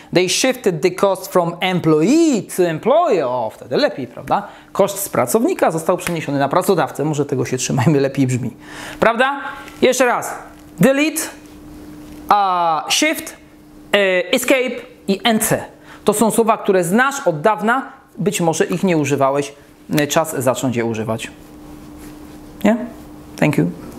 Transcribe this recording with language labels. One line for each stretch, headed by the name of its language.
English: They shifted the cost from employee to employer.
Polish: O, wtedy lepiej, prawda? Koszt z pracownika został przeniesiony na pracodawcę. Może tego się trzymajmy, lepiej brzmi. Prawda? Jeszcze raz. Delete, shift, escape i NC. To są słowa, które znasz od dawna. Być może ich nie używałeś. Czas zacząć je używać. Nie?
English: Yeah? Thank you.